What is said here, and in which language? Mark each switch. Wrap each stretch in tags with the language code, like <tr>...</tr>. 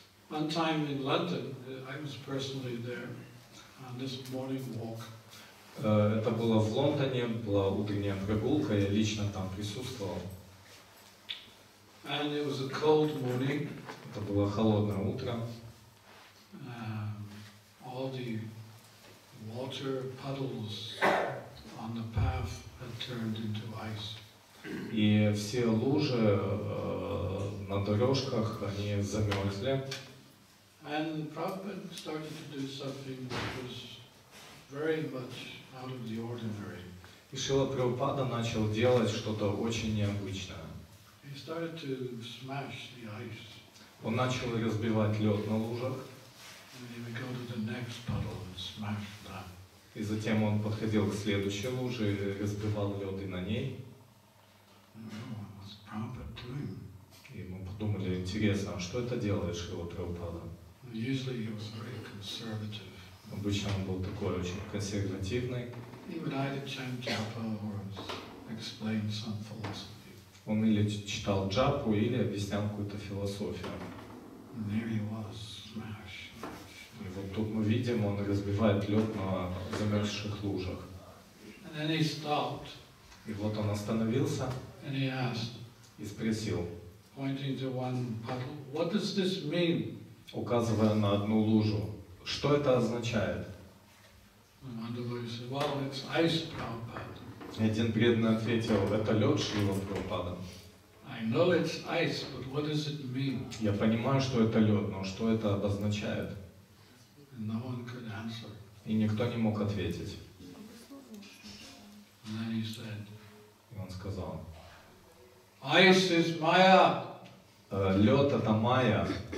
<en>One time in London, I was personally there on this morning walk.</en> <ru>Это было в Лондоне, была утренняя прогулка, я лично там присутствовал.</ru> <en>And it was a cold morning.</en> <ru>Это было холодное утро.</ru> <en>All the water puddles on the path had turned into ice.</en> <ru>И все лужи на дорожках они замерзли.</ru> <en>And Prabhupada started to do something which was very much out of the ordinary.</en> <ru>И Шрила Прабхупада начал делать что-то очень необычное.</ru> <en>He started to smash the ice.</en> <ru>Он начал разбивать лед на лужах.</ru> <en>And then he would go to the next puddle and smash that.</en> <ru>И затем он подходил к следующей луже и разбивал лед и на ней.</ru> <en>What's Prabhupada doing?</en> <ru>И мы подумали, интересно, а что это делает Шрила Прабхупада?</ru> <en>Usually he was very conservative.</en> <ru>Обычно он был такой очень консервативный.</ru> <en>He would either chant japa or explain some philosophy.</en> <ru>Он или читал джапу, или объяснял какую-то философию.</ru> <en>There he was, smash.</en> <ru>И вот тут мы видим, он разбивает лед на замерзших лужах.</ru> <en>And then he stopped.</en> <ru>И вот он остановился.</ru> <en>And he asked,</en> <ru>и спросил.</ru> <en>Pointing to one puddle, what does this mean?</en> <ru>Указывая на одну лужу. Что это означает?</ru> <en>Well, it's ice, Prabhupada.</en> <ru>И один преданный ответил, это лед Шрила Прабхупада.</ru> <en>I know it's ice, but what does it mean?</en> <ru>Я понимаю, что это лед, но что это обозначает?</ru> <en>No one could answer.</en> <ru>И никто не мог ответить.</ru> <en>And then he said,</en> <ru>и он сказал,</ru> <en>ice is Maya.</en> <ru>Лед это Майя.</ru>